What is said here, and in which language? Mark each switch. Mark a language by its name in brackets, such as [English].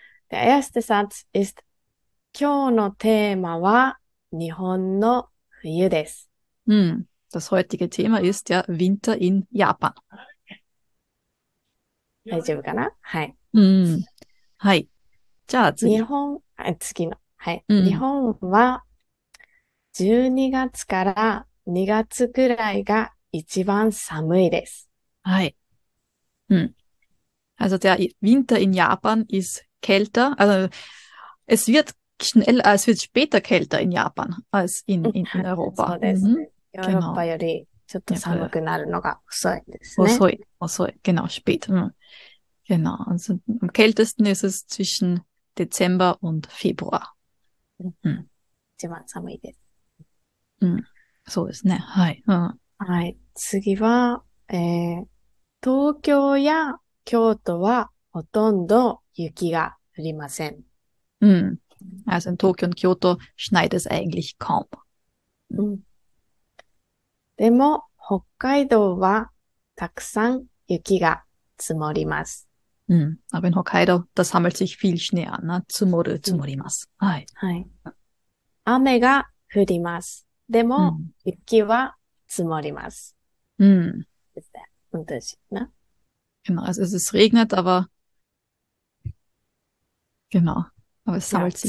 [German] Der erste Satz ist, [Japanese] 今日のテーマは日本の冬です。 [German] Das heutige Thema ist der Winter in Japan. [Japanese] 大丈夫かな？はい。はい。じゃあ次。次の。はい。日本は12月から2月くらいが一番寒いです。はい。 [German] Also der Winter in Japan ist kälter. Also es wird schneller, es wird später kälter in Japan als in Europa. [Japanese] そうですね。ヨーロッパ [German] Genau. [Japanese] よりちょっと寒くなるのが遅いですね。遅い、遅い。 [German] Genau, spät. Genau. Also, am kältesten ist es zwischen Dezember und Februar. [Japanese] 一番寒いです。そうですね。はい。はい。次は、東京や京都はほとんど雪が降りません。 [German] Also in Tokio und Kyoto schneit es eigentlich kaum. [Japanese] でも、北海道はたくさん雪が積もります。 [German] Aber in Hokkaido, da sammelt sich viel Schnee an, ne? [Japanese] 積もる、積もります。はい。はい。雨が降ります。でも、雪は積もります。本当ですね。 [German] Genau, also es regnet, aber, genau, aber es sammelt sich